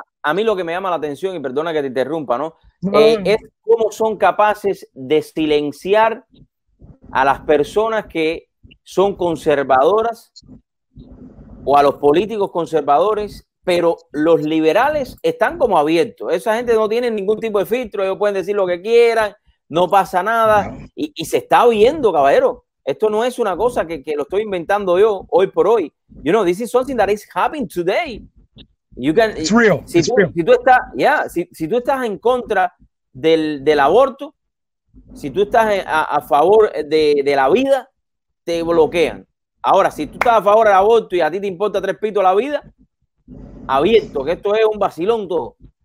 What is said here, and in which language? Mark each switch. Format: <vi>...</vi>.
<es>A mí lo que me llama la atención, y perdona que te interrumpa, ¿no? Es cómo son capaces de silenciar a las personas que son conservadoras o a los políticos conservadores, pero los liberales están como abiertos. Esa gente no tiene ningún tipo de filtro, ellos pueden decir lo que quieran, no pasa nada. Y se está oyendo, caballero. Esto no es una cosa que lo estoy inventando yo hoy por hoy.</es> <en>You know, this is something that is happening today. It's real.</en> <es>Si tú estás en contra del aborto, si tú estás a favor de la vida, te bloquean. Ahora, si tú estás a favor del aborto y a ti te importa tres pitos la vida, abierto, que esto es un vacilón todo.</es>